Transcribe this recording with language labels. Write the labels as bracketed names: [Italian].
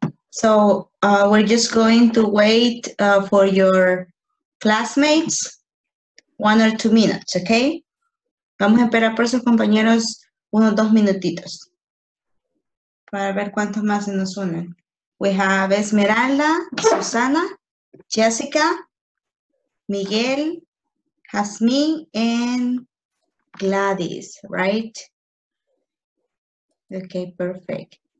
[English] So, we're just going to wait for your classmates 1 or 2 minutes, okay? [Spanish] Vamos a esperar por sus compañeros unos 2 minutitos para ver cuántos más se nos unen. [English] We have Esmeralda, Susana, Jessica, Miguel, Jasmine, and Gladys, right? Okay, perfect.